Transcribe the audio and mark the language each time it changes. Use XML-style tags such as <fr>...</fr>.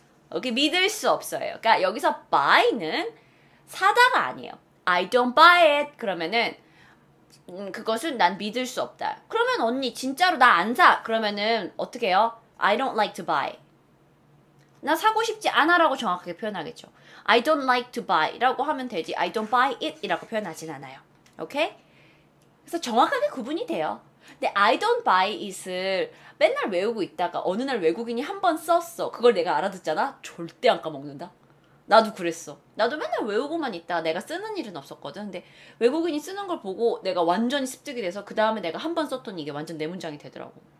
<ko>이렇게 믿을 수 없어요. 그러니까 여기서 buy는 사다가 아니에요.</ko> <en>I don't buy it.</en> <ko>그러면은 그것은 난 믿을 수 없다. 그러면 언니 진짜로 나 안 사. 그러면은 어떻게 해요?</ko> <en>I don't like to buy.</en> <ko>나 사고 싶지 않아 라고 정확하게 표현하겠죠.</ko> <en>I don't like to buy</en> <ko>라고 하면 되지</ko> <en>I don't buy it</en> <ko>이라고 표현하진 않아요. 오케이? 그래서 정확하게 구분이 돼요. 근데</ko> <en>I don't buy it</en> <ko>을 맨날 외우고 있다가 어느 날 외국인이 한번 썼어. 그걸 내가 알아듣잖아? 절대 안 까먹는다. 나도 그랬어. 나도 맨날 외우고만 있다. 내가 쓰는 일은 없었거든. 근데 외국인이 쓰는 걸 보고 내가 완전히 습득이 돼서 그 다음에 내가 한번 썼던 이게 완전 내 문장이 되더라고.</ko>